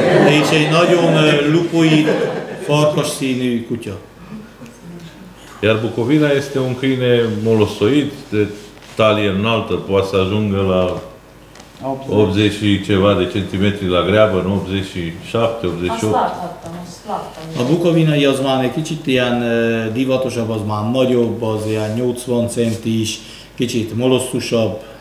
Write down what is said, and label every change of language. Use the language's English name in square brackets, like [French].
[Hungarian] És egy nagyon lupoi, farkas színű kutya. [Romanian] Iar Bucovina este un câine molosoid, de talie înaltă, poate să ajungă la 80 și ceva de centimetri la greabă, în 87, 88. [Hungarian] A Bucovina az már egy kicsit ilyen divatosabb, az már nagyobb, az ilyen 80 centis, kicsit molosztusabb.